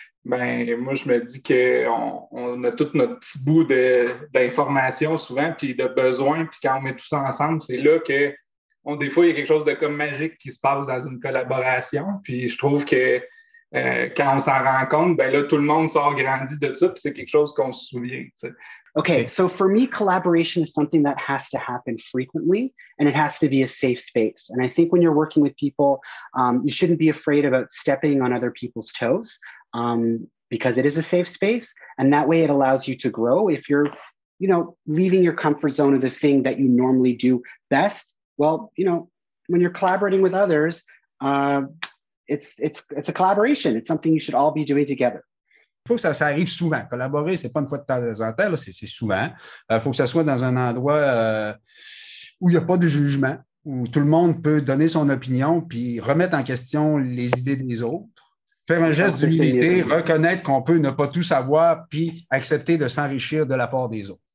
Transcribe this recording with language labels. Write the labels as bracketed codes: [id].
[fr] Ben, moi, je me dis qu'on a tout notre petit bout d'informations souvent, puis de besoins, puis quand on met tout ça ensemble, c'est là que, bon, des fois, il y a quelque chose de comme magique qui se passe dans une collaboration, puis je trouve que quand on s'en rend compte, ben là, tout le monde sort grandi de ça, puis c'est quelque chose qu'on se souvient, tu sais. [en] Okay, so for me, collaboration is something that has to happen frequently, and it has to be a safe space. And I think when you're working with people, you shouldn't be afraid about stepping on other people's toes. Because it is a safe space, and that way it allows you to grow. If you're, you know, leaving your comfort zone of the thing that you normally do best, well, you know, when you're collaborating with others, it's a collaboration. It's something you should all be doing together. [fr] Il faut que ça arrive souvent. Collaborer, c'est pas une fois de temps en temps, là, c'est souvent. Il faut que ça soit dans un endroit où il n'y a pas de jugement, où tout le monde peut donner son opinion puis remettre en question les idées des autres. Faire un geste d'humilité, reconnaître qu'on peut ne pas tout savoir, puis accepter de s'enrichir de l'apport des autres.